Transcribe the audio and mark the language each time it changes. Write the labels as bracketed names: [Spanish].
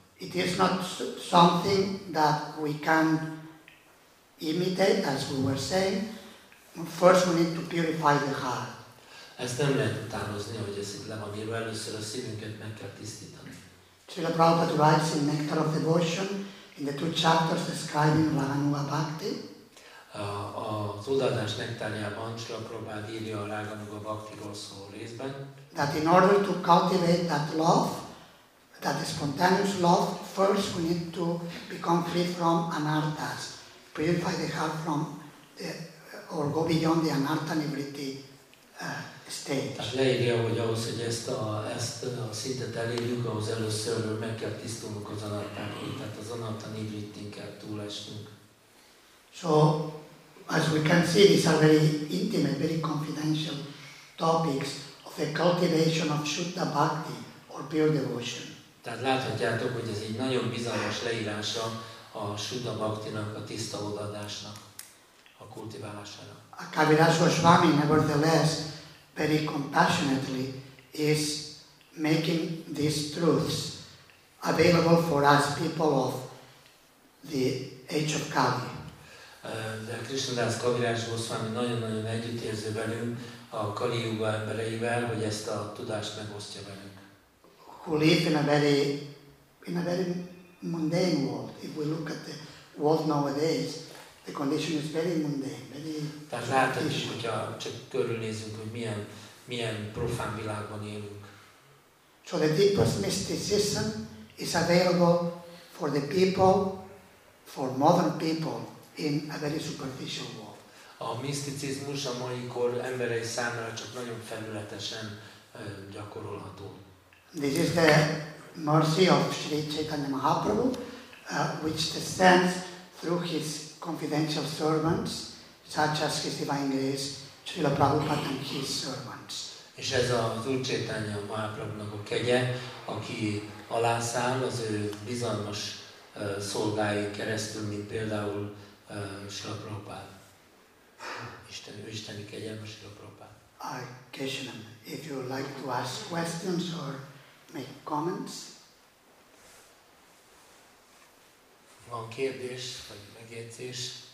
[English] It is not something that we can imitate, as we were saying. First we need to purify the heart. [Hungarian] Ezt nem lehet utánozni, hogy ez itt le van írva, először a szívünket meg kell tisztítani. [English] Srila Prabhupada writes in Nectar of Devotion, in the two chapters describing Radha Mula Bhakti. [Hungarian] Az odaadás nektárjában Srila Prabhupada írja a Radha Mula Bhaktiról szóló részben. [English] That in order to cultivate that love, that is spontaneous love, first we need to become free from anarthas, purify the heart from the, or go beyond the anartha nivritti state. [Hungarian] Tehát leírja, hogy ahhoz, hogy ezt a szintet elérjük, ahhoz először meg kell tisztulnunk az anarthától, tehát az anartha nivrittin kell túlesnünk. [English] So, as we can see, these are very intimate, very confidential topics of the cultivation of Shuddha Bhakti or pure devotion. [Hungarian] Tehát láthatjátok, hogy ez egy nagyon bizalmas leírása a Shuddha Bhaktinak, a tiszta odaadásnak, a kultiválásának. [English] A Kaviraj Goswami, nevertheless, very compassionately is making these truths available for us people of the age of Kali. [Hungarian] De Krishnadas Kaviraj Goswami nagyon-nagyon együttérző velünk, a Kali Yuga embereivel, hogy ezt a tudást megosztja velünk. [English] Who live in a very mundane world. If we look at the world nowadays, the condition is very mundane, very. [Hungarian] Tehát látjuk, hogyha csak körülnézünk, hogy milyen profán világban élünk. [English] So the deepest mysticism is available for the people, for modern people, in a very superficial world. [Hungarian] A miszticizmus a mai kor emberei számára csak nagyon felületesen gyakorolható. [English] This is the mercy of Sri Chaitanya Mahaprabhu, which descends through his confidential servants, such as His Divine Grace, Srila Prabhupada and his servants. [Hungarian] És ez az Úr Chaitanya Mahaprabhunak a kegye, aki alászáll az ő bizalmas szolgái keresztül, mint például Srila Prabhupada. Isteni kegyelme Srila Prabhupada. [English] Keshanam, if you would like to ask questions or make comments. [Hungarian] Van kérdés, vagy megjegyzés?